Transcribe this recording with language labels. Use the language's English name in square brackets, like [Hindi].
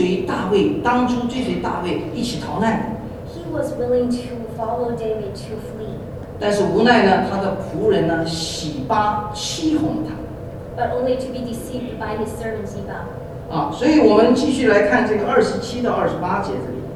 [Chinese] 但是他仍然愿意追随大卫，当初追随大卫一起逃难。 [English] He was willing to follow David to flee. [Chinese] 但是无奈呢，他的仆人呢，洗巴欺哄他。 [English] But only to be deceived by his servant Ziba. [Chinese] 所以我们继续来看这个27到28节这里。